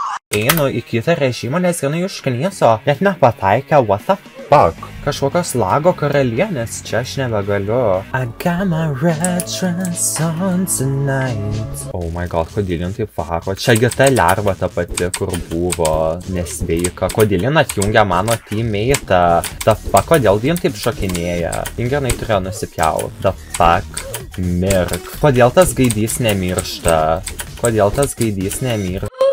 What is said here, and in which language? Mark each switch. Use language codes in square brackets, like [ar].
[lt] Einu į kitą režimą, nes jinai užkniso, net nepataikė, [en] what the fuck? [lt] Kažkokios lago karalienės, čia aš nebegaliu. [en] I got my red dress on tonight. Oh my god, [lt] kodėl jin taip varo? Čia gita lerva ta pati, kur buvo nesveika. Kodėl jin atjungia mano teammate'ą? [en] The fuck, [lt] kodėl jin taip šokinėja? Jinai turėjo nusipjaut. [en] The fuck? [lt] Mirk. Kodėl tas gaidys nemiršta? Kodėl tas gaidys nemiršta?